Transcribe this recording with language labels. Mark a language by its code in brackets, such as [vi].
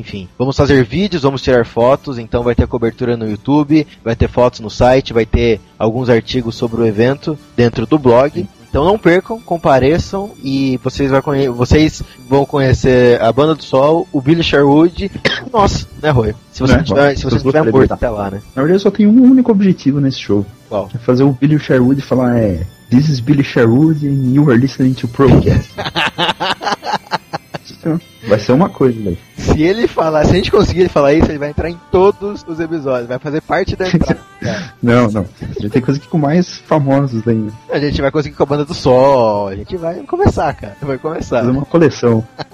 [pt] Enfim, vamos fazer vídeos, vamos tirar fotos. Então vai ter cobertura no YouTube, vai ter fotos no site, vai ter alguns artigos sobre o evento dentro do blog. Então não percam, compareçam e vocês vão conhecer a Banda do Sol, o Billy Sherwood e nós, né, Roy? Se você tiver morto até lá, né? Na verdade, eu só tenho um único objetivo nesse show. Qual? É fazer o Billy Sherwood falar, [en] "This is Billy Sherwood and you are listening to Procast." [pt] Vai ser uma coisa, velho. Se a gente conseguir ele falar isso, ele vai entrar em todos os episódios, vai fazer parte da entrada. Não. A gente tem coisa aqui com mais famosos ainda. A gente vai conseguir com a Banda do Sol. A gente vai começar, cara. Vai começar. Fazer uma coleção.